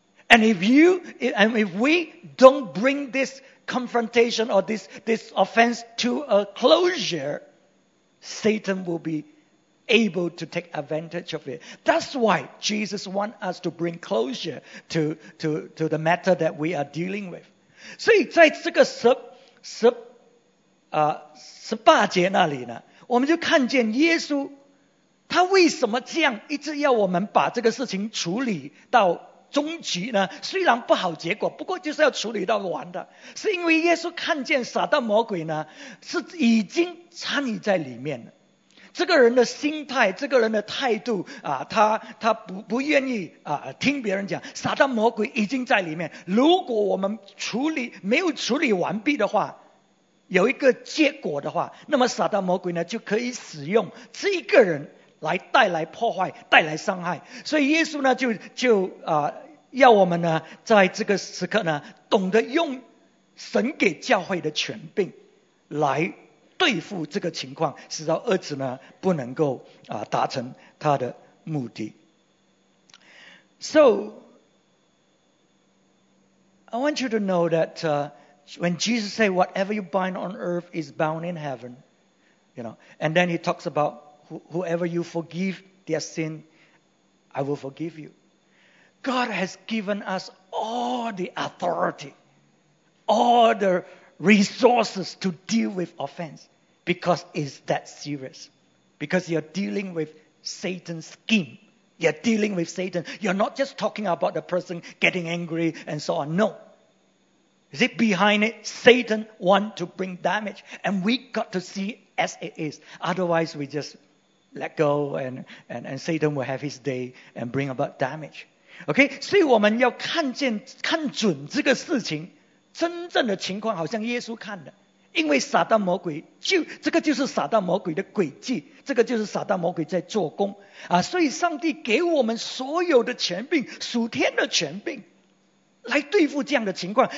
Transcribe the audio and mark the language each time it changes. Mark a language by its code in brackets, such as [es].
[en] And if we don't bring this confrontation or this offense to a closure, Satan will be able to take advantage of it. That's why Jesus wants us to bring closure to the matter that we are dealing with. [zh] 所以在这个十八节那里呢，我们就看见耶稣他为什么这样一直要我们把这个事情处理到终极呢？虽然不好结果，不过就是要处理到完的，是因为耶稣看见撒旦魔鬼呢是已经参与在里面了。这个人的心态，这个人的态度啊，他不愿意啊听别人讲，撒旦魔鬼已经在里面。如果我们处理没有处理完毕的话，有一个结果的话，那么撒旦魔鬼呢就可以使用这一个人来带来破坏，带来伤害。所以耶稣呢要我们呢在这个时刻呢懂得用神给教会的权柄来对付这个情况，使到恶者呢不能够达成他的目的。 [en] So I want you to know that when Jesus said whatever you bind on earth is bound in heaven, you know, and then he talks about whoever you forgive their sin, I will forgive you. God has given us all the authority, all the resources to deal with offense, because it's that serious. Because you're dealing with Satan's scheme. You're dealing with Satan. You're not just talking about the person getting angry and so on. No. Is it behind it? Satan wants to bring damage. And we got to see as it is. Otherwise, we just let go and Satan will have his day and bring about damage. Okay? [zh] 所以我们要看准这个事情真正的情况，好像耶稣看的。因为撒旦魔鬼这个就是撒旦魔鬼的诡计，这个就是撒旦魔鬼在做工啊！所以上帝给我们所有的权柄，属天的权柄，来对付这样的情况。